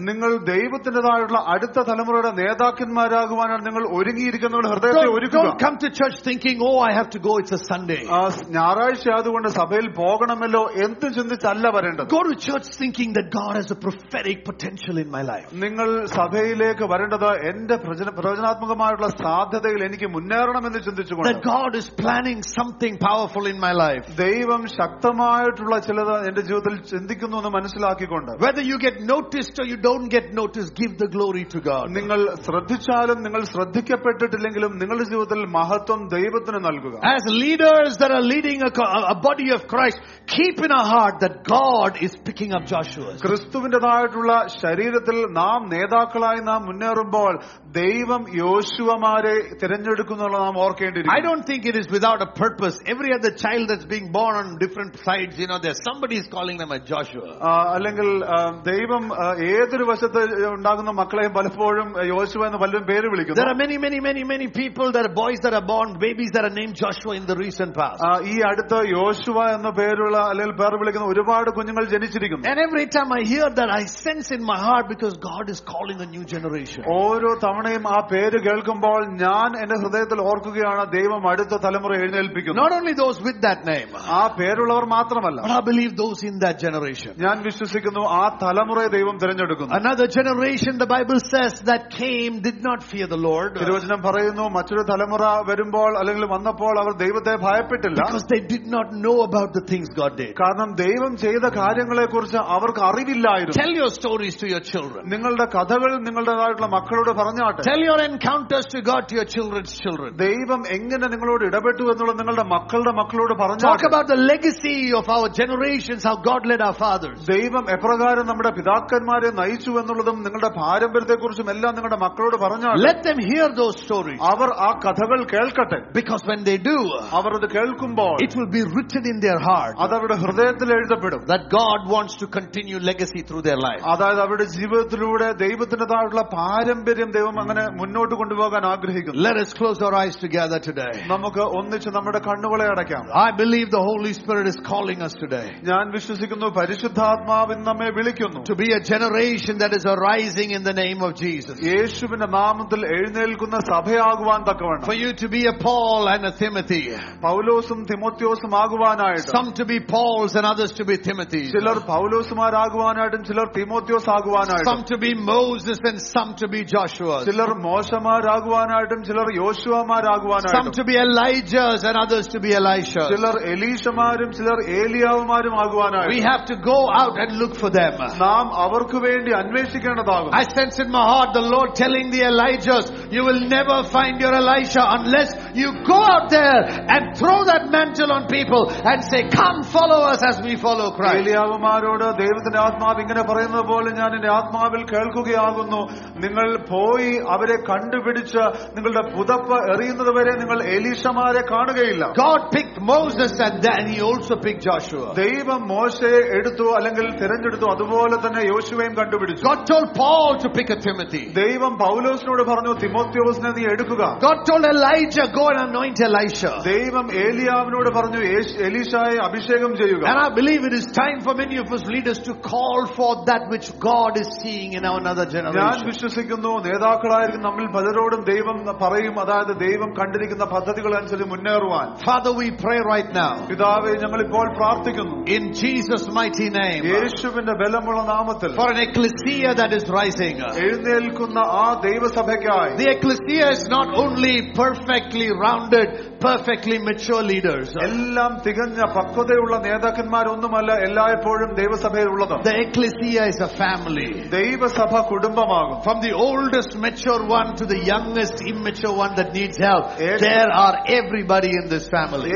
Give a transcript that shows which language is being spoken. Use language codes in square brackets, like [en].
[ml] നിങ്ങൾ ദൈവത്തിന്റെ താഴെയുള്ള അടുത്ത തലമുറയുടെ നേതാക്കന്മാരാകുവാനാണ് നിങ്ങൾ ഒരുങ്ങിയിരിക്കുന്ന ഹൃദയത്തെ ഒരുക്കുക. [en] Don't come to church thinking, oh, I have to go, it's a Sunday. [ml] ഞായറാഴ്ച ആയതുകൊണ്ട് സഭയിൽ പോകണമല്ലോ എന്ന് ചിന്തിച്ചല്ല വരേണ്ടത്. [en] Go to church thinking that God has a prophetic potential in my life. [ml] നിങ്ങൾ സഭയിലേക്ക് വരേണ്ടത് എന്റെ പ്രവചനാത്മകമായുള്ള സാധ്യതയിൽ എനിക്ക് മുന്നേറണം എന്ന് ചിന്തിച്ചുകൊണ്ട്. [en] That God is planning something powerful in my life. [ml] ദൈവം ശക്തമായിട്ടുള്ള ചിലത് എന്റെ ജീവിതത്തിൽ ചിന്തിക്കുന്നു എന്ന് മനസ്സിലാക്കിക്കൊണ്ട്. [en] Whether you get noticed or you don't get noticed, give the glory to God. [ml] നിങ്ങൾ ശ്രദ്ധിച്ചാലും നിങ്ങൾ ശ്രദ്ധിക്കപ്പെട്ടിട്ടില്ലെങ്കിലും നിങ്ങളുടെ ജീവിതത്തിൽ മഹത്വം ദൈവത്തിന് നൽകുക. [en] As leaders that are leading a body of Christ, keep in our heart that God is picking up Joshua. [ml] ക്രിസ്തുവിന്റെ താഴെയുള്ള ശരീരത്തിൽ നാം നേതാക്കളായി നാം മുന്നേറുമ്പോൾ ദൈവം യോശുവമാരെ തിരഞ്ഞെടുക്കുന്നു എന്ന് നാം ഓർക്കേണ്ടിയിരിക്കുന്നു. [en] I don't think it is without a purpose. Every other child that's being born on different sides, you know, there's somebody is calling them a Joshua. [ml] അല്ലെങ്കിൽ ദൈവം ഏതൊരു വശത്ത് ഉണ്ടാകുന്ന മക്കളെയും പലപ്പോഴും യോശുവ എന്ന് പലരും പേര് വിളിക്കുന്നു. [en] There are many, many, many, many people, there are boys that are born, babies that are named Joshua in the recent past. [ml] ഈ അടുത്ത യോശുവ എന്ന പേരുള്ള അല്ലെങ്കിൽ പേര് വിളിക്കുന്ന ഒരുപാട് കുഞ്ഞുങ്ങൾ ജനിച്ചിരിക്കുന്നു. [en] And every time I hear that, I sense in my heart, because God is calling a new generation. [ml] ഓരോ തവണയും ആ പേര് കേൾക്കുമ്പോൾ ഞാൻ എന്റെ ഹൃദയത്തിൽ ഓർക്കുകയാണ് ദൈവം അടുത്ത തലമുറ എഴുന്നേൽപ്പിക്കുന്നു. [en] Not only those with that name. [ml] ആ പേരുള്ളവർ മാത്രമല്ല. [en] But I believe those in that generation. [ml] ഞാൻ വിശ്വസിക്കുന്നു ആ തലമുറയെ ദൈവം തിരഞ്ഞെടുക്കുന്നു. [en] Another generation, the Bible says, that came did not fear the Lord. [ml] തിരുവചനം പറയുന്നു മറ്റൊരു തലമുറ വരുമ്പോൾ അല്ലെങ്കിൽ വന്നപ്പോൾ അവർ ദൈവത്തെ ഭയപ്പെട്ടില്ല. [en] Because they did not know about the things God did. [ml] കാരണം ദൈവം ചെയ്ത കാര്യങ്ങളെ കുറിച്ച് അവർക്ക് അറിവില്ലായിരുന്നു. [en] Tell your stories to your children. [ml] നിങ്ങളുടെ കഥകൾ നിങ്ങളുടേതായിട്ടുള്ള മക്കളോട് പറഞ്ഞാട്ടെ. [en] Tell your encounters to God, to your children's children. [ml] ദൈവം എങ്ങനെ നിങ്ങളോട് ഇടപെട്ടു എന്നുള്ളത് നിങ്ങളുടെ മക്കളുടെ മക്കളോട് പറഞ്ഞാട്ടെ. [en] Talk about the legacy of our generations, how God led our fathers. [ml] ദൈവം എപ്രകാരം നമ്മുടെ പിതാക്കന്മാരെ നയിച്ചു എന്നുള്ളതും നിങ്ങളുടെ പാരമ്പര്യത്തെക്കുറിച്ചും എല്ലാം നിങ്ങളുടെ മക്കളോട് പറഞ്ഞാട്ടെ. [en] Let them hear those stories. [ml] അവർ ആ കഥകൾ കേൾക്കട്ടെ. [en] Because when they do, [ml] അവർ അത് കേൾക്കുമ്പോൾ [en] it will be written in their heart. [ml] അത് അവരുടെ ഹൃദയത്തിൽ എഴുതപ്പെടും. [en] That God wants to continue legacy through their life. [ml] അതായത് അവരുടെ ജീവിതത്തിലൂടെ ദൈവത്തിന്റെ താഴെയുള്ള പാരമ്പര്യം ദൈവം അങ്ങനെ മുന്നോട്ട് കൊണ്ടുപോകാൻ ആഗ്രഹിക്കുന്നു. [en] Let us close our eyes together today. [ml] നമുക്ക് ഒന്നിച്ച് നമ്മുടെ കണ്ണുകളെ അടയ്ക്കാം. [en] I believe the Holy Spirit is calling us today. [ml] ഞാൻ വിശ്വസിക്കുന്നു പരിശുദ്ധാത്മാവ് നമ്മെ വിളിക്കുന്നു. [en] To be a generation that is arising in the name of Jesus. [ml] യേശുവിന്റെ നാമത്തിൽ എഴുന്നേൽക്കുന്ന സഭയാകുവാൻ തക്കവണ്ണം. [en] For you to be a Paul and a Timothy. [ml] പൗലോസും തിമോത്തിയോസും ആകുവാനായിട്ട്. [en] Some to be Pauls and others to be Timothys. [ml] ചിലർ പൗലോസുമാരാകുവാനായിട്ടും ചിലർ Timotheos ആകുവാനായിട്ടും. [en] Some to be Moses and some to be Joshua. [ml] ചിലർ മോശമാരാകുവാനായിട്ടും ചിലർ യോശുവമാരാകുവാനായിട്ടും. [en] Some to be Elijahs and others to be Elisha. [ml] ചിലർ എലീശമാരും ചിലർ ഏലിയാവുമാരും ആകുവാനായിട്ടും. [en] We have to go out and look for them. [ml] നാം അവർക്കു വേണ്ടി അന്വേഷിക്കേണ്ടതാകും. [en] I sense in my heart the Lord telling the Elijahs, you will never find your Elisha unless you go out there and throw that mantle on people and say, come follow us as we follow Christ. [ml] ഏലിയാവുമാരോട് ദൈവത്തിന്റെ ആത്മാവ് ഇങ്ങനെ പറയുന്നത് പോലെ ഞാൻ എന്റെ ആത്മാവിൽ കേൾക്കുകയാകുന്നു, നിങ്ങൾ പോയി അവരെ കണ്ടുപിടിച്ച് നിങ്ങളുടെ പുതപ്പ് എറിയുന്നത് വരെ നിങ്ങൾ എലീശമാരെ കാണുകയില്ല. [en] God picked Moses and then he also picked Joshua. [ml] ദൈവം മോശയെ എടുത്തു അല്ലെങ്കിൽ തിരഞ്ഞെടുത്തു, അതുപോലെ തന്നെ യോശുവയും കണ്ടുപിടിച്ചു. [en] God told Paul to pick a Timothy. [ml] ദൈവം പൗലോസിനോട് പറഞ്ഞു തിമോത്തിയോസിനെ നീ എടുക്കുക. [en] God told Elijah, go and anoint Elisha. [ml] ദൈവം ഏലിയാവിനോട് പറഞ്ഞു എലീശായെ അഭിഷേകം ചെയ്യുക. [en] And I believe it is time for many of us leaders to call for that which God is seeing in another generation. [ml] ഞാൻ വിശ്വസിക്കുന്നു നേതാക്കളായിരിക്കും നമ്മിൽ പലരോടും ദൈവം പറയും, അതായത് ദൈവം കണ്ടിരിക്കുന്ന പദ്ധതികൾ അനുസരിച്ച് മുന്നേറുവാൻ. [en] Father, we pray right now. [ml] പിതാവേ, ഞങ്ങൾ ഇപ്പോൾ പ്രാർത്ഥിക്കുന്നു. [en] In Jesus mighty name. [ml] യേശുവിന്റെ ബലമുള്ള നാമത്തിൽ. [en] For an ecclesia that is rising. [ml] എഴുന്നേൽക്കുന്ന ആ ദൈവസഭയ്ക്കായി. [en] The ecclesia is not only perfectly rounded, perfectly mature leaders. [ml] എല്ലാം തികഞ്ഞ പക്വതയുള്ള നേതാക്കന്മാരൊന്നുമല്ല എല്ലായ്പ്പോഴും ദൈവസഭയിലുള്ളത്. [en] The ecclesia is a family. [ml] ദൈവസഭ കുടുംബമാകും. [en] From the oldest mature one to the youngest immature one that needs help, there are everybody in this family.